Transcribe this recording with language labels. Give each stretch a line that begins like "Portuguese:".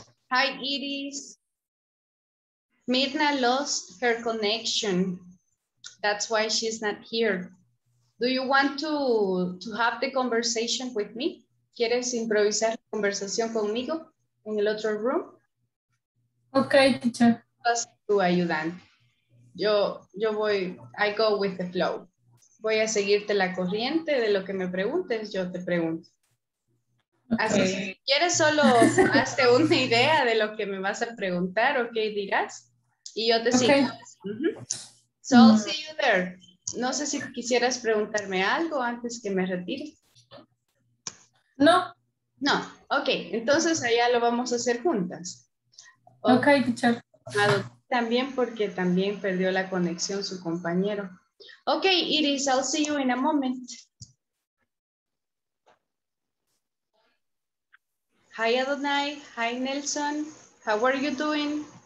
English: Hi, Iris. Mirna lost her connection. That's why she's not here. Do you want to have the conversation with me?
Spanish: ¿Quieres improvisar la conversación conmigo en el otro room?
English: Okay, teacher.
Spanish: Vas tu ayudante. Yo voy,
English: I go with the flow.
Spanish: Voy a seguirte la corriente de lo que me preguntes, yo te pregunto. Okay. Así, si quieres solo hazte una idea de lo que me vas a preguntar o qué dirás y yo te sigo. Okay. Uh-huh.
English: So I'll see you there.
Spanish: No sé si quisieras preguntarme algo antes que me retire. No. No. Ok, entonces allá lo vamos a hacer juntas.
English: Ok, teacher.
Spanish: También porque también perdió la conexión su compañero.
English: Ok, Iris, I'll see you in a moment. Hi Adonai, hi Nelson, how are you doing?